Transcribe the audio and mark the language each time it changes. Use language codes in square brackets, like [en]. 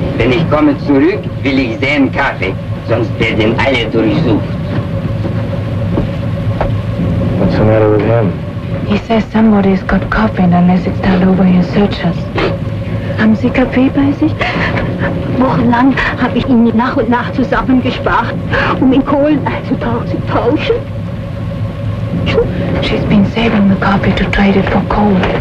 [de] Wenn ich komme zurück, will ich sehen Kaffee, sonst werden alle durchsucht. [en] What's the matter with him? He says somebody's got coffee and unless it's turned over, he'll search us. [de] Haben Sie Kaffee bei sich? Wochenlang habe ich ihn nach und nach zusammengespart, um in Kohlen einzutauschen. [en] She's been saving the coffee to trade it for coal.